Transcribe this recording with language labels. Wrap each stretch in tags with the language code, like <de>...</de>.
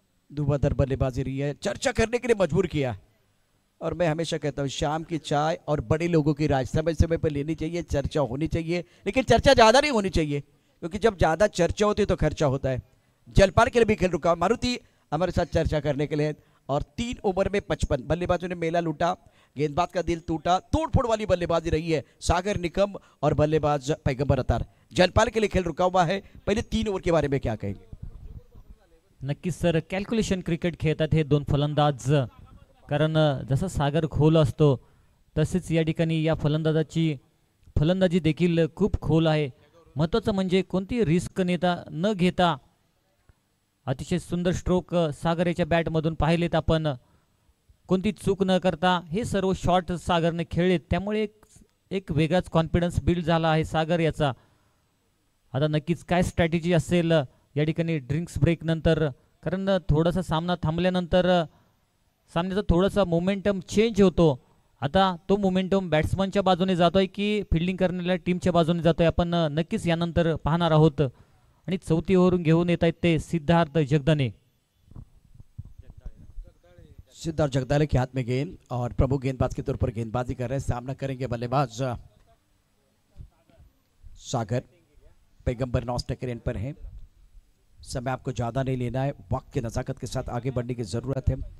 <hi>दुबादर बल्लेबाजी रही है, चर्चा करने के लिए मजबूर किया. और मैं हमेशा कहता हूं शाम की चाय और बड़े लोगों की राय समय समय पर लेनी चाहिए, चर्चा होनी चाहिए, लेकिन चर्चा ज्यादा नहीं होनी चाहिए, क्योंकि जब ज्यादा चर्चा होती है तो खर्चा होता है. जलपान के लिए भी खेल रुका, मारुति हमारे साथ चर्चा करने के लिए और तीन ओवर में 55, बल्लेबाजों ने मेला लूटा, गेंदबाज का दिल टूटा, तोड़फोड़ वाली बल्लेबाजी रही है सागर निकम और बल्लेबाज पैगंबर अतार। जनपाल के लिए खेल रुका हुआ है, पहले तीन ओवर के बारे में क्या कहेंगे?</hi> <mr>नक्की सर, कैलक्युलेशन क्रिकेट खेळतात हे दोन फलंदाज, कारण जसा सागर खोल असतो तसेच या ठिकाणी या फलंदाजाची फलंदाजी देखील खूप खोल आहे। महत्त्वाचं म्हणजे कोणती रिस्क नेता न घेता अतिशय सुंदर स्ट्रोक सागर याच्या बॅटमधून पाहिलेत आपण, कोणती चूक न करता हे सर्व शॉर्ट सागरने खेळले, त्यामुळे एक वेगळाच कॉन्फिडन्स बिल्ड झाला आहे सागर याचा। आता नक्कीच काय स्ट्रॅटेजी असेल या ठिकाणी ड्रिंक्स ब्रेक नंतर, कारण थोडासा सामना थांबल्यानंतर सामन्याचा थोडासा मोमेंटम चेंज होतो, आता तो मोमेंटम बॅट्समनच्या बाजूने जातो आहे की फिल्डिंग करणाऱ्या टीमच्या बाजूने जातो आहे आपण नक्कीच यानंतर पाहणार आहोत। आणि चौथी ओव्हरून घेऊन येत आहेत ते सिद्धार्थ जगदाने।</mr> <hi>सिद्धार्थ जगदाले के हाथ में गेंद और प्रमुख गेंदबाज के तौर पर गेंदबाजी कर रहे हैं, सामना करेंगे बल्लेबाज सागर। पैगंबर 9 स्ट्राइक रेंज पर हैं, समय आपको ज्यादा नहीं लेना है, वक्त के नजाकत के साथ आगे बढ़ने की जरूरत है।</hi>